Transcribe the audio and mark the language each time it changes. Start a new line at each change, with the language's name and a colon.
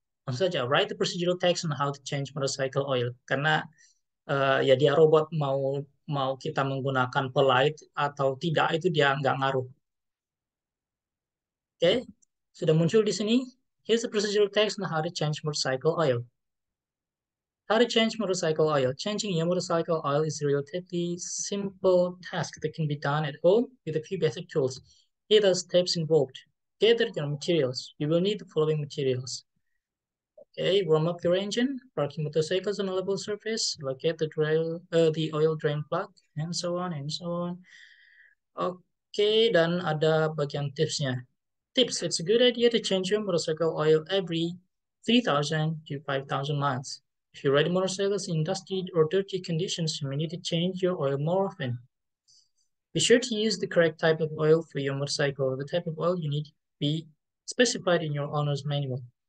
Indonesian: Langsung saja,
English: write the procedural text on how to change motorcycle oil.
Indonesian: Karena ya dia robot, mau mau kita menggunakan polite atau tidak itu dia nggak ngaruh. Oke, okay. Sudah muncul di sini.
English: Here's the procedural text on how to change motorcycle oil. How to change motorcycle oil. Changing your motorcycle oil is a relatively simple task that can be done at home with a few basic tools. Here are the steps involved. Gather your materials. You will need the following materials. A, warm up your engine, parking motorcycles on a level surface, locate the oil drain plug, and so on and so on.
Indonesian: Oke, dan ada bagian tipsnya.
English: Tips, it's a good idea to change your motorcycle oil every 3,000 to 5,000 miles. If you ride motorcycles in dusty or dirty conditions, you may need to change your oil more often. Be sure to use the correct type of oil for your motorcycle. The type of oil you need be specified in your owner's manual.